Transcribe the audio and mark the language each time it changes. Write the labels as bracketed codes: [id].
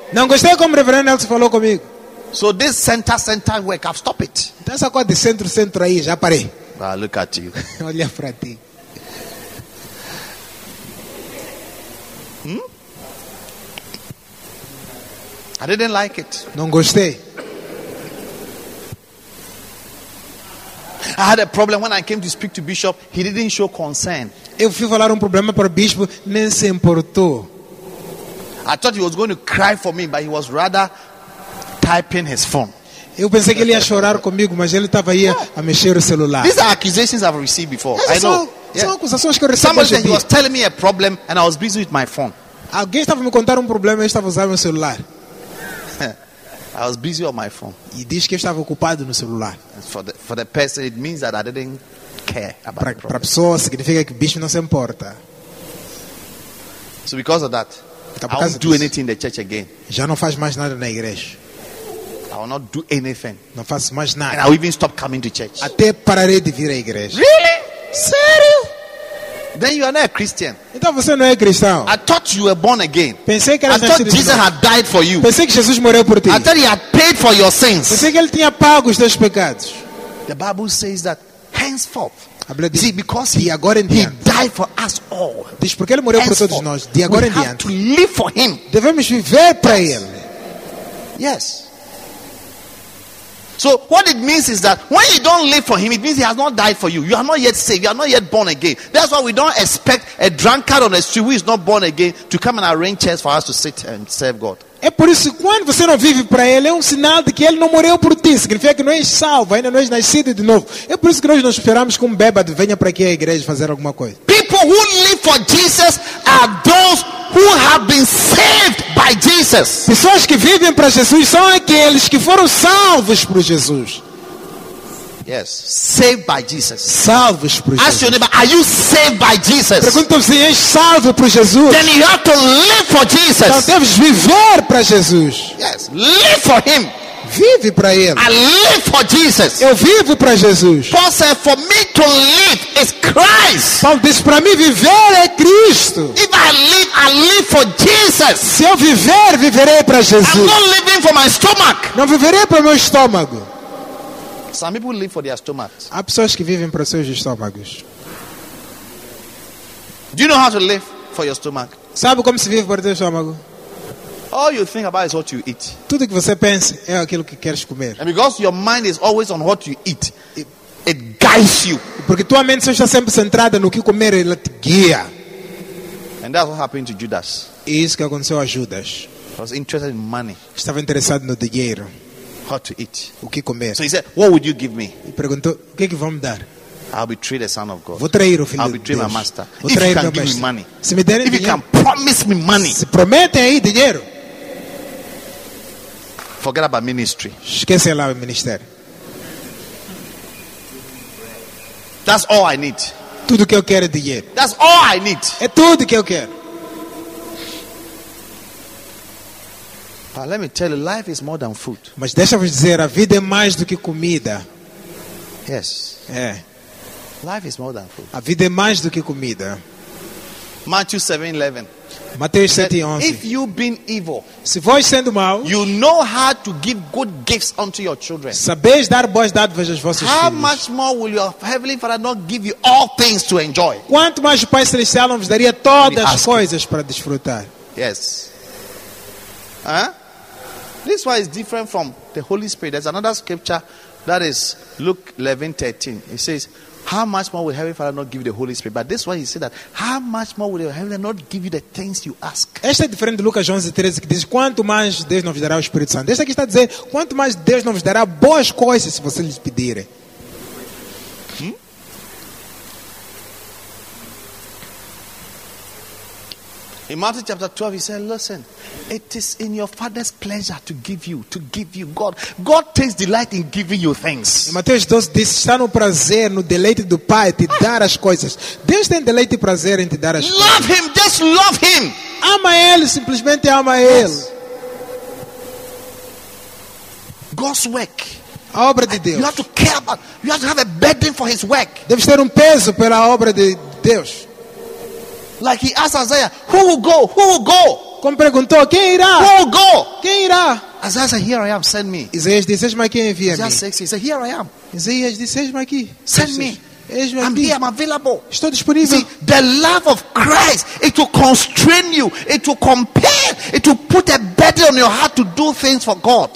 [pt] Não gostei como Reverend Nelson falou comigo. [en] So this center work, I've stopped it. [pt] Então essa coisa de centro aí, já parei. [en] Ah, look at you. [pt] Olha para ti. [en] I didn't like it. [pt] Não gostei. [en] I had a problem when I came to speak to Bishop. He didn't show concern. [pt] Eu fui falar um problema para o Bispo, nem se importou. [en] I thought he was going to cry for me, but he was rather typing his phone. [pt] Eu pensei que ele ia chorar comigo, mas ele estava aí a mexer o celular. [en] These are accusations I've received before. [pt] Essas [en] I know. [pt] São acusações que eu recebi. [en] Somebody was telling me a problem, and I was busy with my phone. [pt] Alguém estava me contando problema e estava usando o celular. [en] I was busy on my phone. [pt] E diz que estava ocupado no celular. [en] For the person, it means that I didn't care about [pt] pra, [en] the problem. [pt] Para a pessoa significa que o bicho não se importa. [en] So because of that. [pt] Então, [en] I won't do anything in the church again. [pt] Já não faz mais nada na igreja. [en] I will not do anything. [pt] Não faço mais nada. [en] And I will even stop coming to church. [pt] Até pararei de vir à igreja. [en] Really? [pt] Sério? [en] Then you are not a Christian. [pt] Então você não é cristão. [en] I thought you were born again. [pt] Pensei que era nascido de novo. [en] I thought Jesus had died for you. [pt] Pensei que Jesus morreu por ti. [en] I thought he had paid for your sins. [pt] Pensei que ele tinha pago os teus pecados. [en] The Bible says that henceforth. See, because he [pt] agora em diante, [en] he died for us all. [pt] Diz porque ele morreu por todos nós. De agora em diante, [en] we have to live for him. [pt] Devemos viver para ele. [en] Yes. So what it means is that when you don't live for him, it means he has not died for you. You are not yet saved. You are not yet born again. That's why we don't expect a drunkard on the street who is not born again to come and arrange chairs for us to sit and serve God. [pt] É por isso que quando você não vive para ele, é um sinal de que ele não morreu por ti. Significa que não és salvo, ainda não és nascido de novo. É por isso que nós não esperamos que um bêbado venha para aqui à igreja fazer alguma coisa. [en] People who live for Jesus are those who have been saved by Jesus. [pt] Pessoas que vivem para Jesus são aqueles que foram salvos por Jesus. [en] Yes, saved by Jesus. [pt] Salvos por Jesus. [en] Ask your neighbor, are you saved by Jesus? [pt] Pergunta-se, és salvo por Jesus? [en] Then you have to live for Jesus. [pt] Então deves viver para Jesus. [en] Yes, live for him. [pt] Vive para ele. [en] I live for Jesus. [pt] Eu vivo para Jesus. [en] Paul said, for me to live is Christ. [pt] Paulo disse, para mim viver é Cristo. [en] If I live for Jesus. [pt] Se eu viver, viverei para Jesus. [en] I'm not living for my stomach. [pt] Não viverei para meu estômago. [en] Some people live for their stomachs. [pt] Há pessoas que vivem para seus estômagos. [en] Do you know how to live for your stomach? [pt] Sabe como se vive para o seu estômago? [en] All you think about is what you eat. [pt] Tudo que você pensa é aquilo que queres comer. [en] And because your mind is always on what you eat, it guides you. [pt] Porque tua mente está sempre centrada no que comer, ela te guia. [en] And that's what happened to Judas. [pt] E isso que aconteceu a Judas. [en] I was interested in money. [pt] Estava interessado no dinheiro. [en] How to eat? [pt] O que comer? [en] So he said, "What would you give me?" [pt] Ele perguntou, "O que vão me dar?" [en] I'll betray the Son of God. [pt] Vou trair o filho. [en] I'll betray [pt] de Deus. [en] My master. [pt] Vou trair [en] if you [pt] meu [en] can [pt] mestre. [en] Give me money, [pt] se me derem [en] if [pt] dinheiro, [en] you can promise me money, [pt] se prometem aí dinheiro, [en] Forget about ministry. [pt] Esquece lá o ministério. [en] That's all I need. [pt] Tudo que eu quero é dinheiro. [en] That's all I need. [pt] É tudo que eu quero. [en] But let me tell you, life is more than food. [pt] Mas deixa-me dizer, a vida é mais do que comida. [en] Yes. [pt] É. [en] Life is more than food. [pt] A vida é mais do que comida. [en] Matthew 7:11. [pt] Mateus 7:11. [en] If you been evil, [pt] se vós sendo mau, [en] you know how to give good gifts unto your children. [pt] Sabeis dar boas dádivas aos vossos filhos. [en] How much more will your heavenly Father not give you all things to enjoy? [pt] Quanto mais o Pai Celestial não vos daria todas as coisas para desfrutar? [en] Yes. Huh? This one is different from the Holy Spirit. There's another scripture that is Luke 11:13. It says, how much more will Heavenly Father not give you the Holy Spirit? But this one, he said that, how much more will Heavenly Father not give you the things you ask? [pt] Esta é diferente de Lucas 11:13, que diz, quanto mais Deus não vos dará o Espírito Santo. Esta aqui está a dizer, quanto mais Deus não vos dará boas coisas se vocês lhes pedirem. [en] In Matthew chapter 12, he said, listen, it is in your Father's pleasure to give you God. God takes delight in giving you things. [pt] Mateus 12 diz, está no prazer, no deleite do Pai, te dar as coisas. Deus tem deleite e prazer em te dar as coisas. [en] Love him, just love him. [pt] Ama ele, simplesmente ama ele. [en] God's work. [pt] A obra de Deus. [en] You have to care about, you have to have a burden for his work. [pt] Deve ter peso pela obra de Deus. [en] Like he asked Isaiah, who will go? Who will go? [pt] Como perguntou, quem irá? [en] Who will go? [pt] Quem irá? [en] Isaiah said, here I am, send me. [pt] Isaías disse, eis-me aqui, envia-me. [en] Isaías said, here I am. [pt] Isaías disse, eis-me aqui. [en] Send me. [pt] Eis-me aqui. [en] I'm here, I'm available. [pt] Estou disponível. [en] See, the love of Christ, it will constrain you, it will compel, it will put a burden on your heart to do things for God.